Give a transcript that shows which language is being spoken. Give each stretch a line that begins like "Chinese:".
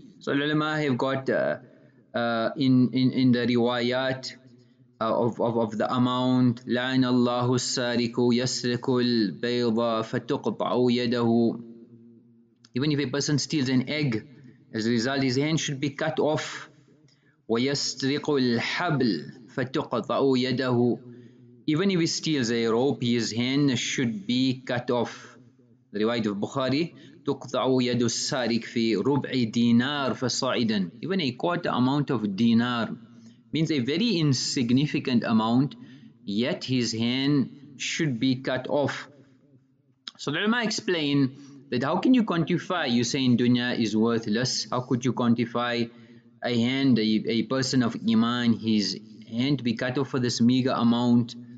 English: So ulama have got in the riwayat of the amount,
Arabic: لعن الله السارق يسرق البيضة فتقطع يده.
English: Even if a person steals an egg, as a result his hand should be cut off.
Arabic: ويسرق الحبل فتقطع يده.
English: Even if he steals a rope, his hand should be cut off. The riwayat of Bukhari,
Arabic: تقطع يد السارق في ربع دينار فصاعدا.
English: Even a quarter amount of dinar means a very insignificant amount, yet his hand should be cut off. So the ulama explain that how can you quantify? You say in dunya is worthless. How could you quantify a hand, a person of iman, his hand be cut off for this meager amount?